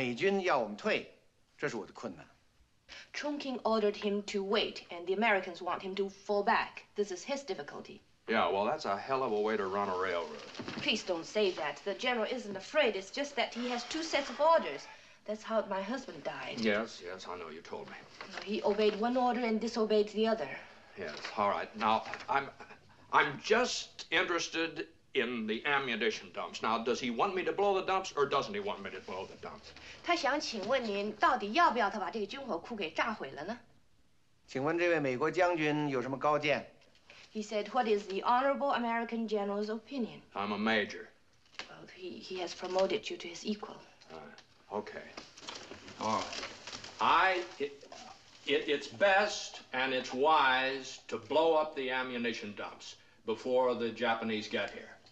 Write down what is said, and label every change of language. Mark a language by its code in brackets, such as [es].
[zh] 重庆要我们等，美军要我们退，这是我的困难. [en] Chongqing ordered him to wait, and the Americans want him to fall back. This is his difficulty. Yeah, well, that's a hell of a way to run a railroad. Please don't say that. The general isn't afraid. It's just that he has two sets of orders. That's how my husband died. Yes, yes, I know. You told me. He obeyed one order and disobeyed the other. Yes, all right. Now, I'm just interested in the ammunition dumps. Now, does he want me to blow the dumps, or doesn't he want me to blow the dumps? [zh] 他想请问您到底要不要他把这个军火库给炸毁了呢? 请问这位美国将军有什么高见? [en] He said, what is the honorable American general's opinion? I'm a major. Well, he has promoted you to his equal. Okay. All right. It's best and it's wise to blow up the ammunition dumps before the Japanese get here.